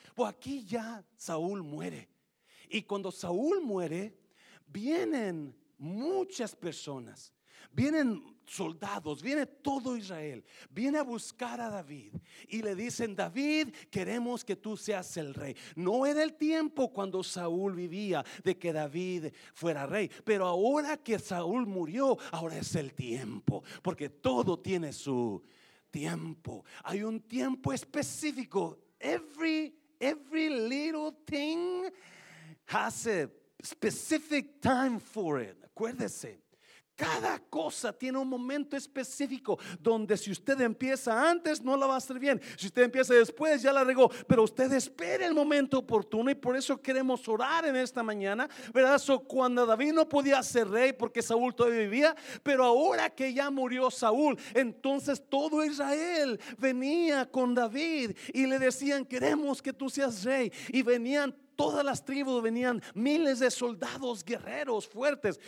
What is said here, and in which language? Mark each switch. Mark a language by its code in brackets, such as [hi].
[es] Pues aquí ya Saúl muere. Y cuando Saúl muere, vienen muchas personas, vienen soldados, viene todo Israel, viene a buscar a David y le dicen, David, queremos que tú seas el rey. No era el tiempo cuando Saúl vivía de que David fuera rey, pero ahora que Saúl murió, ahora es el tiempo, porque todo tiene su tiempo. Hay un tiempo específico. [en] Every little thing has a specific time for it. [es] Acuérdese, cada cosa tiene un momento específico donde si usted empieza antes no la va a hacer bien. Si usted empieza después ya la regó, pero usted espera el momento oportuno y por eso queremos orar en esta mañana, ¿verdad? So, cuando David no podía ser rey porque Saúl todavía vivía, pero ahora que ya murió Saúl, entonces todo Israel venía con David y le decían, queremos que tú seas rey, y venían todas las tribus, venían miles de soldados, guerreros, fuertes.